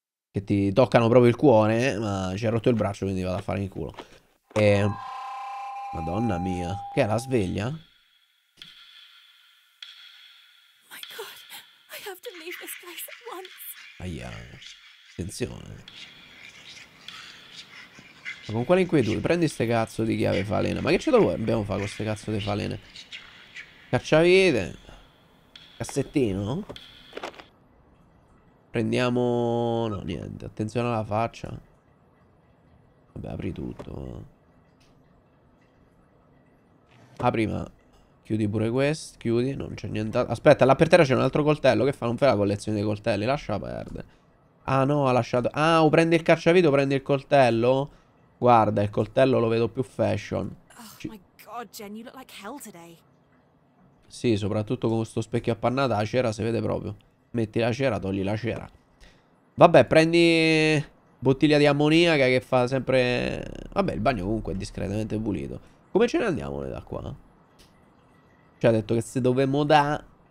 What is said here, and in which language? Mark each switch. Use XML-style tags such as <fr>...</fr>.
<it>Che ti toccano proprio il cuore, ma ci ha rotto il braccio, quindi vado a fare in culo. Madonna mia. Che è la sveglia?</it> <en>My God, I have to leave this place at once.</en> <it>Aia. Attenzione. Ma con quale inquietudine? Prendi ste cazzo di chiave falena. Ma che ce lo dobbiamo fare con ste cazzo di falene? Cacciavite. Cassettino? Prendiamo... No, niente. Attenzione alla faccia. Vabbè, apri tutto. Apri, ma... Chiudi pure questo. Chiudi. Non c'è niente... Aspetta, là per terra c'è un altro coltello. Che fa? Non fai la collezione dei coltelli. Lascia perdere. Ah, no, ha lasciato... Ah, o prendi il cacciavite o prendi il coltello? Guarda, il coltello lo vedo più fashion.</it> <en>Oh, my God, Jen, you look like hell today.</en> <it>Sì, soprattutto con questo specchio appannato, la cera si vede proprio. Metti la cera, togli la cera. Vabbè, prendi bottiglia di ammoniaca che fa sempre... Vabbè, il bagno comunque è discretamente pulito. Come ce ne andiamo da qua? Cioè, ha detto che se dovemmo da...</it>